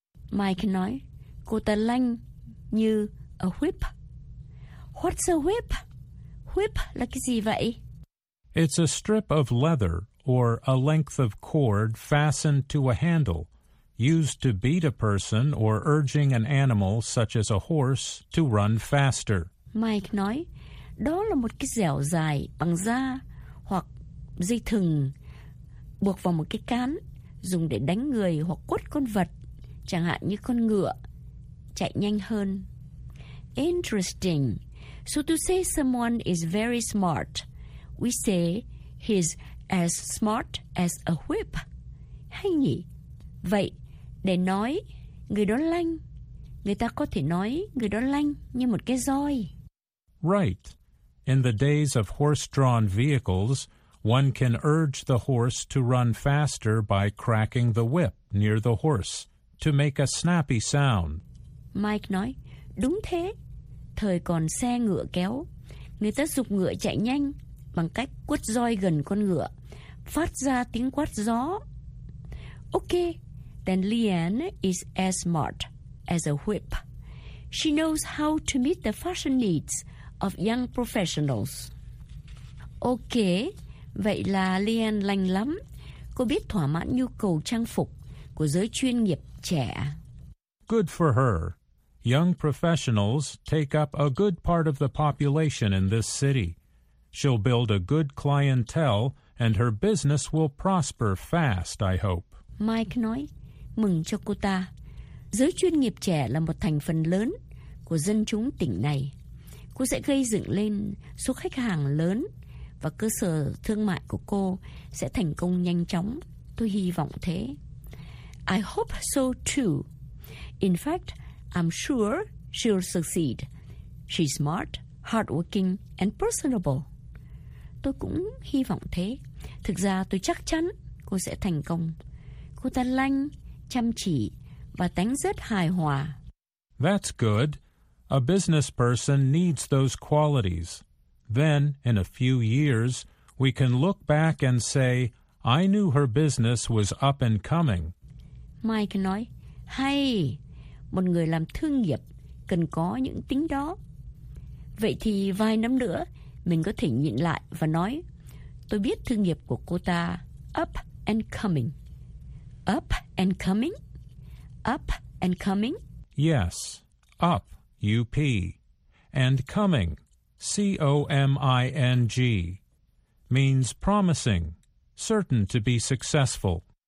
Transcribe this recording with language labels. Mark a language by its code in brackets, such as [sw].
[vi] Mike nói, cô ta lanh như a whip. [en] What's a whip? [vi] Whip là cái gì vậy? [en] It's a strip of leather or a length of cord fastened to a handle, used to beat a person or urging an animal such as a horse to run faster. [vi] Mike nói, đó là một cái dẻo dài bằng da hoặc dây thừng buộc vào một cái cán dùng để đánh người hoặc quất con vật, chẳng hạn như con ngựa, chạy nhanh hơn. [en] Interesting. So to say someone is very smart, we say he's as smart as a whip. [vi] Hay nhỉ? Vậy, để nói người đó lanh, người ta có thể nói người đó lanh như một cái roi. [en] Right. In the days of horse-drawn vehicles, one can urge the horse to run faster by cracking the whip near the horse to make a snappy sound. [vi] Mike nói, đúng thế. thời còn xe ngựa kéo, người ta giục ngựa chạy nhanh bằng cách quất roi gần con ngựa, phát ra tiếng quát gió. [en] Ok, then Lian is as smart as a whip. She knows how to meet the fashion needs of young professionals. [vi] Ok, vậy là Lian lành lắm. Cô biết thỏa mãn nhu cầu trang phục của giới chuyên nghiệp trẻ. [en] Good for her. Young professionals take up a good part of the population in this city. She'll build a good clientele and her business will prosper fast, I hope. [vi] Mike nói, mừng cho cô ta. Giới chuyên nghiệp trẻ là một thành phần lớn của dân chúng tỉnh này. Cô sẽ gây dựng lên số khách hàng lớn và cơ sở thương mại của cô sẽ thành công nhanh chóng. Tôi hy vọng thế. [en] I hope so too. In fact, I'm sure she'll succeed. She's smart, hardworking, and personable. [vi] Tôi cũng hy vọng thế. Thực ra tôi chắc chắn cô sẽ thành công. Cô ta lanh, chăm chỉ và tánh rất hài hòa. [en] That's good. A business person needs those qualities. Then, in a few years, we can look back and say, I knew her business was up and coming. [vi] Mike nói, hay, một người làm thương nghiệp cần có những tính đó. Vậy thì vài năm nữa, mình có thể nhìn lại và nói, tôi biết thương nghiệp của cô ta [en] up and coming. Up and coming? Up and coming? Yes, up, U-P, and coming, C-O-M-I-N-G, means promising, certain to be successful.